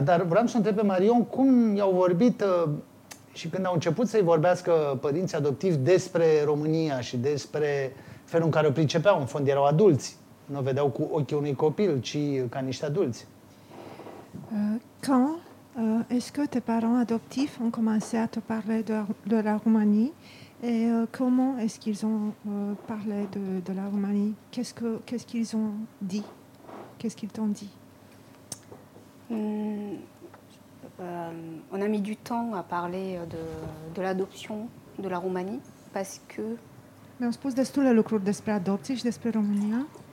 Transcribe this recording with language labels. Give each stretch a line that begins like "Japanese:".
Romanian: Dar vreau să întreb pe Marion cum i-au vorbit și când au început să-i vorbească părinții adoptivi despre România și despre felul în care o pricepeau. În fond erau adulți. Nu o vedeau cu ochii unui copil, ci ca niște adulți.
French: Quand est-ce que tes parents adoptifs ont commencé à te parler de la Roumanie et comment est-ce qu'ils ont parlé de la Roumanie? Qu'est-ce qu'ils ont dit? Qu'est-ce qu'ils t'ont dit? On a mis du temps à parler de l'adoption de la Roumanie parce que... Mais on se pose
Romanian: destul de lucruri despre adopție și despre România.